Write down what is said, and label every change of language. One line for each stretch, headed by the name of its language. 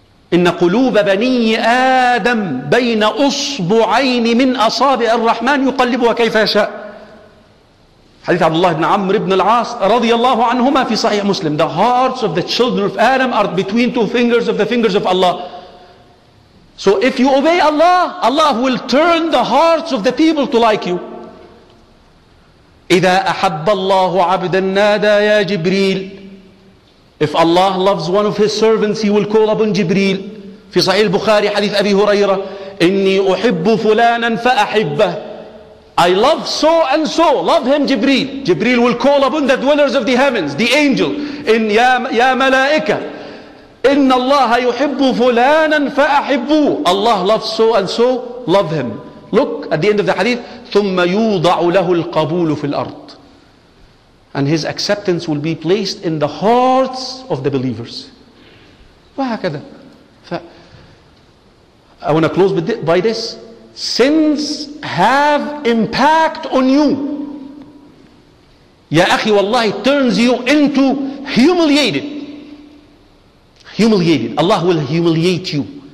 Arabic: إِنَّ قُلُوبَ بَنِيِّ آدَمْ بَيْنَ أُصْبُعَيْنِ مِنْ أَصَابِعِ الرَّحْمَنِ يُقَلِّبُهَا كَيْفَ يَشَاءُ. Hadith Abdullah ibn Amr ibn al-As radiyallahu anhuma fi sahih Muslim.
English: The hearts of the children of Adam are between two fingers of the fingers of Allah. So if you obey Allah, Allah will turn the hearts of the people to like you.
Arabic: إِذَا أَحَبَّ اللَّهُ عَبْدًا نَادَى يَا جِبْرِيلِ.
English: If Allah loves one of His servants, He will call upon Jibreel.
Arabic: في صحيح البخاري حديث أبي هريرة إني أحب فلانا فأحبه.
English: I love so and so, love him Jibreel. Jibreel will call upon the dwellers of the heavens, the angel.
Arabic: إن يا ملائكة إن الله يحب فلانا فأحبه.
English: Allah loves so and so, love him. Look at the end of the hadith.
Arabic: ثم يوضع له القبول في الأرض.
English: And his acceptance will be placed in the hearts of the believers.
Arabic: وهكذا.
English: I want to close by this. Sins have impact on you.
Arabic: يا أخي والله,
English: it turns you into humiliated. Humiliated. Allah will humiliate you.